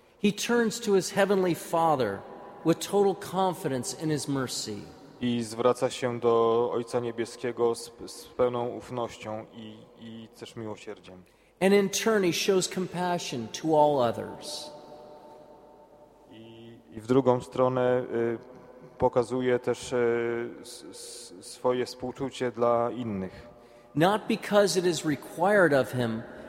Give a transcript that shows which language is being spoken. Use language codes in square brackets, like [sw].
[en] He turns to his heavenly Father with total confidence in his mercy. [pl] I zwraca się do Ojca Niebieskiego z pełną ufnością i też miłosierdziem. [en] And in turn he shows compassion to all others. [pl] I w drugą stronę pokazuje też swoje współczucie dla innych. [en] Not because it is required of him,